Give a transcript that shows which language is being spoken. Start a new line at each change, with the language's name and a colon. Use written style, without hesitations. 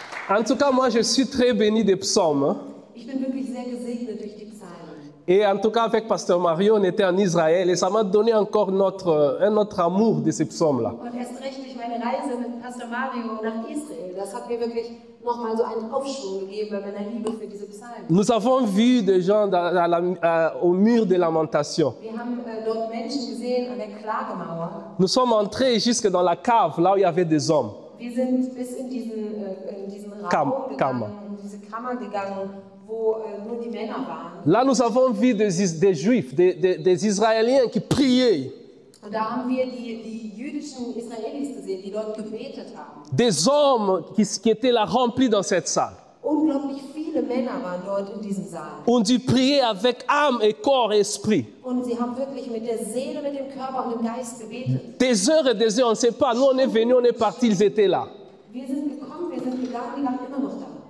French: En tout cas, moi, je suis très béni des psaumes.
German: Ich bin wirklich sehr gesegnet durch die Psalmen.
French: Et en tout cas, avec Pasteur Mario, on était en Israël et ça m'a donné encore un autre amour de ces psaumes-là.
German: Und erst richtig meine Reise mit Pasteur Mario nach Israël, das hat mir wirklich nochmal so einen Aufschwung gegeben, meine Liebe für diese Psalmen.
French: Nous avons vu des gens au mur des Lamentations.
German: Wir haben dort Menschen gesehen an der Klagemauer.
French: Nous sommes entrés jusque dans la cave, là où il y avait des hommes.
German: Wir sind bis in diese Kammer gegangen. Wo nur die Männer waren.
French: Là, nous avons vu des Juifs, des Israéliens qui priaient.
German: Und da haben wir die jüdischen Israelis gesehen, die dort gebetet haben.
French: Des hommes qui étaient là remplis dans cette salle.
German: Unglaublich viele Männer waren dort in diesem Saal. Und die
French: priaient avec âme et corps et esprit.
German: Und sie haben wirklich mit der Seele, mit dem Körper und dem Geist gebetet.
French: Des heures et des heures, on ne sait pas. Nous, on est venus, on est partis, ils étaient là.
German: Wir sind gekommen, wir sind gegangen, wir waren immer noch da.